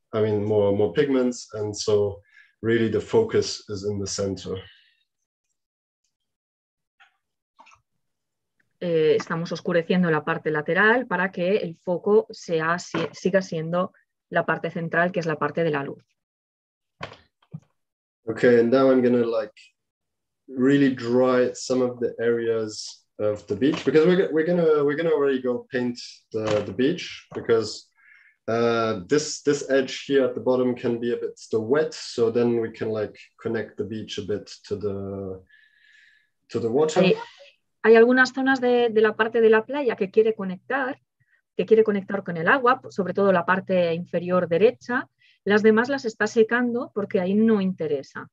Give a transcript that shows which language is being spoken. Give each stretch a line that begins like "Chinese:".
English: More pigments. And so really the focus is in the center.
Spanish: estamos oscureciendo la parte lateral para que el foco sea, siga siendo la parte central, que es la parte de la luz.
English: Okay, and now I'm going to like really dry some of the areas of the beach, because we're going to already go paint the beach, because this edge here at the bottom can be a bit still wet, so then we can like connect the beach a bit to the water.
Spanish: Hay algunas zonas de la parte de la playa que quiere conectar con el agua, sobre todo la parte inferior derecha. Las demás las está secando porque ahí no interesa.